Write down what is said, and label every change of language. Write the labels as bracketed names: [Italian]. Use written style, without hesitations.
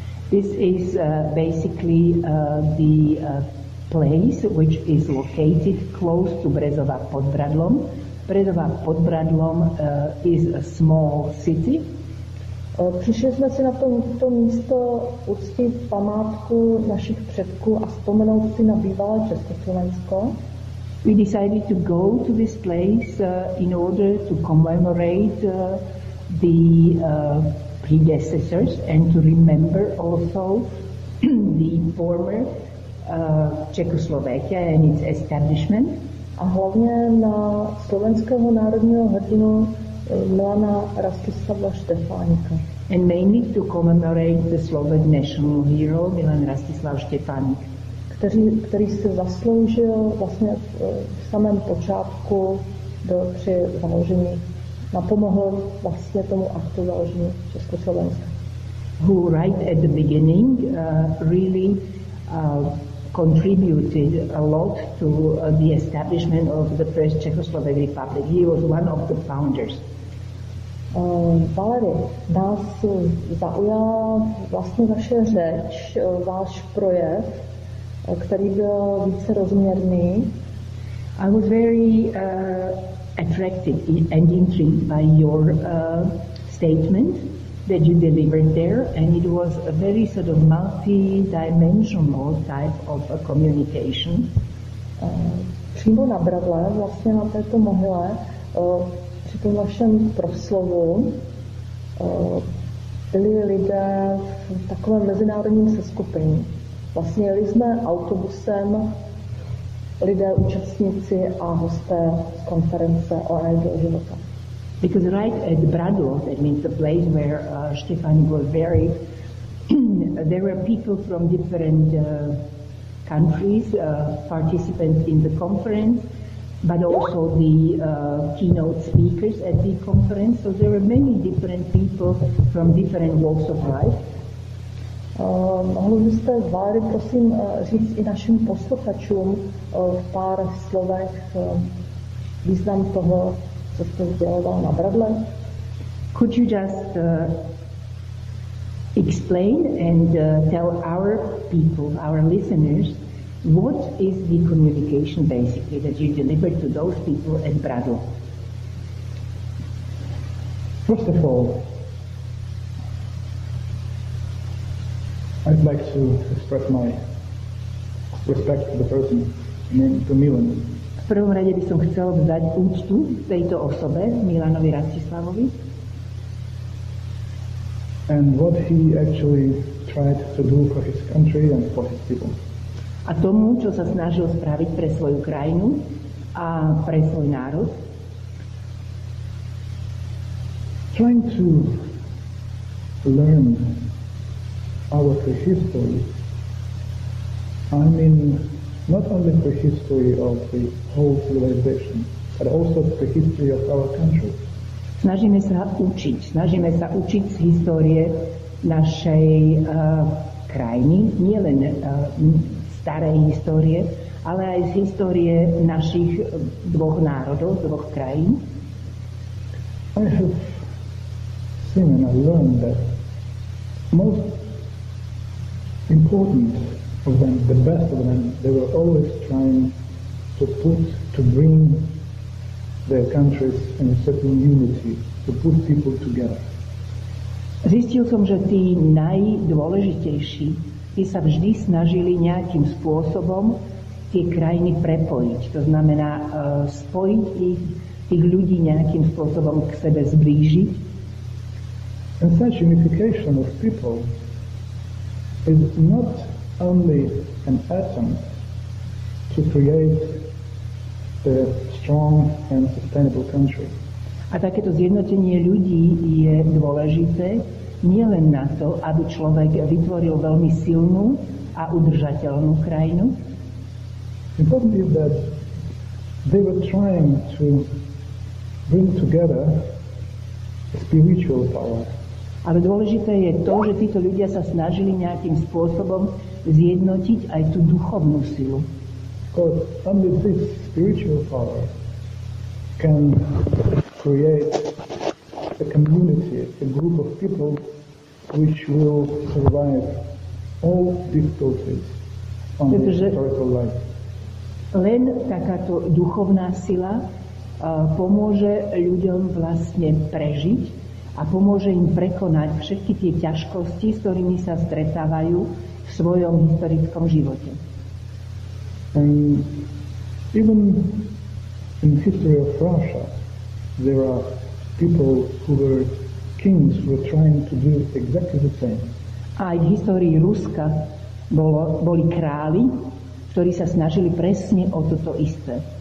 [English] This is basically the place which is located close to Brezová pod Bradlom. Brezová pod Bradlom is a small city. [Czech] Přišli jsme si na to místo uctit památku našich předků a vzpomenout si na bývalé Československo. [English] We decided to go to this place in order to commemorate the predecessors and to remember also the former Czechoslovakia and its establishment. [Czech] A hlavně na slovenského národního hrdinu Milana Rastislava Štefánika. [English] And mainly to commemorate the Slovak national hero Milan Rastislav Štefánik. [Czech] Který se zasloužil vlastně v samém počátku při založení. Napomohl vlastně tomu aktu založení Československa. [English] Who right at the beginning really contributed a lot to the establishment of the first Czechoslovak Republic. He was one of the founders. [Czech] Valery, nás zaujala vlastně vaše řeč, váš projev, který byl více rozměrný. [English] I was very attracted and intrigued by your statement that you delivered there, and it was a very sort of multi-dimensional type of a communication. [Czech] Přímo na Bradle, vlastně na této mohyle, při tom vašem proslovu byli lidé v takovém mezinárodním seskupení. Vlastně jeli jsme autobusem, lidé, účastníci a hosté konference o energii života. [English] Because right at Bradlo, that means the place where Štefan was buried, there were people from different countries, participants in the conference, but also the keynote speakers at the conference. So there were many different people from different walks of life. [Czech] Mohli byste, Valery, prosím, říct i našim posluchačům v pár slovech význam toho, co jste udělal na Bradle? [English] Could you just explain and tell our people, our listeners, what is the communication basically that you delivered to those people at Bradle? First of all, I'd like to express my respect for the person named to Milan. [Slovak] V prvom rade by som chcel vzdať úctu tejto osobe, Milanovi Rastislavovi. [English] And what he actually tried to do for his country and for his people. [Slovak] A tomu, čo sa snažil spraviť pre svoju krajinu a pre svoj národ. [English] Trying to learn our prehistory, I mean not only prehistory of the whole civilization, but also prehistory of our country. [Slovak] Snažíme sa učiť z histórie našej krajiny, nielen starej histórie, ale aj z histórie našich dvoch národov, dvoch krajín. [English] I have seen and I've learned that most important of them, the best of them, they were always trying to put, to bring their countries in a certain unity, to put people together. [Slovak] Zistil som, že tí najdôležitejší, tí sa vždy snažili nejakým spôsobom tie krajiny prepojiť. To znamená spojiť ich, tých ľudí nejakým spôsobom k sebe zblížiť. [English] And such unification of people is not only an attempt to create a strong and sustainable country. [Slovak] A takéto zjednotenie ľudí je dôležité nielen na to, aby človek vytvoril veľmi silnú a udržateľnú krajinu. [English] Important is that they were trying to bring together spiritual power. [Slovak] Ale dôležité je to, že títo ľudia sa snažili nejakým spôsobom zjednotiť aj tú duchovnú silu. [English] Because only this spiritual power can create a community, a group of people which will survive all difficulties on the historical life. [Slovak] Len takáto duchovná sila pomôže ľuďom vlastne prežiť a pomôže im prekonať všetky tie ťažkosti, s ktorými sa stretávajú v svojom historickom živote. [English] And even in the history of Russia, there are people who were kings who were trying to do exactly the same. [Slovak] Aj v histórii Ruska boli králi, ktorí sa snažili presne o toto isté.